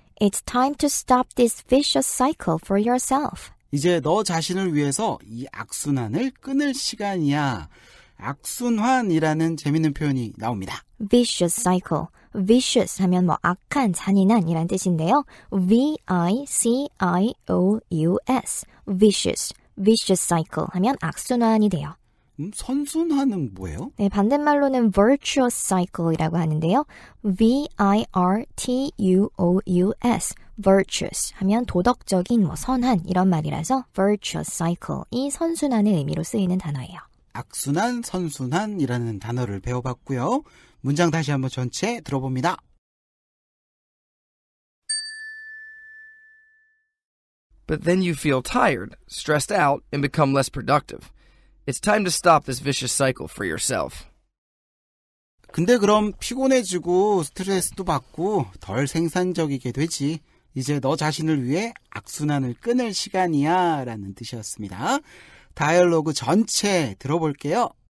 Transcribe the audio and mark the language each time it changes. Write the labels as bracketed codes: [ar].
[en] It's time to stop this vicious cycle for yourself. [ko] 이제 너 자신을 위해서 이 악순환을 끊을 시간이야. 악순환이라는 재미있는 표현이 나옵니다. Vicious cycle. Vicious 하면 뭐 악한, 잔인한이란 뜻인데요. [en] V-I-C-I-O-U-S. Vicious. [ko] Vicious cycle 하면 악순환이 돼요. 선순환은 뭐예요? 네, 반대말로는 virtuous cycle이라고 하는데요. V-I-R-T-U-O-U-S. Virtuous 하면 도덕적인 뭐 선한 이런 말이라서 virtuous cycle이 선순환의 의미로 쓰이는 단어예요. 악순환, 선순환이라는 단어를 배워봤고요. 문장 다시 한번 전체 들어봅니다. [en] But then you feel tired, stressed out, and become less productive. It's time to stop this vicious cycle for yourself. [ko] 근데 그럼 피곤해지고 스트레스도 받고 덜 생산적이게 되지. 이제 너 자신을 위해 악순환을 끊을 시간이야 라는 뜻이었습니다. 다이얼로그 전체 들어볼게요.